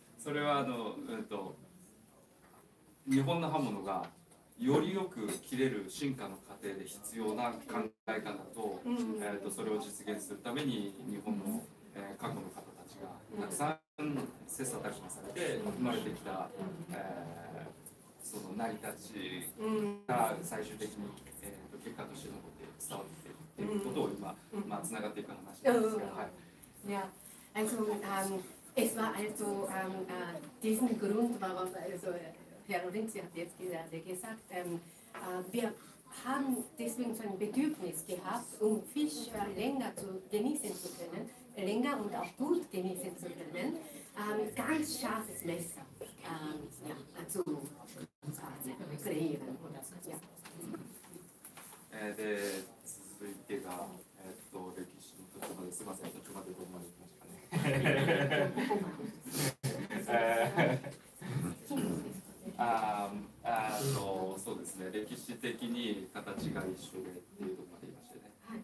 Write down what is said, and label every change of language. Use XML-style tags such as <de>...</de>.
<ja>それは日本の刃物がよりよく切れる進化の過程で必要な考え方と、それを実現するために日本の、過去の方たちがたくさん切磋琢磨されて生まれてきた、その成り立ちが最終的に、結果として残って伝わってきていることを今、つながっていく話なんですが、はい。</ja> <de>Ja, also es war also diesen Grund, warum, also Herr Lorenzi hat jetzt gerade gesagt, wir haben deswegen so ein Bedürfnis gehabt, um Fisch länger zu genießen zu können, länger und auch gut genießen zu können, ganz scharfes Messer zu kreieren. Ja.</de> <ja>で、続いてが、歴史の途中まで、すいません、途中までどこまで行きましたかね。そうですね、歴史的に形が一緒でっていうところまで言いましたね。</ja>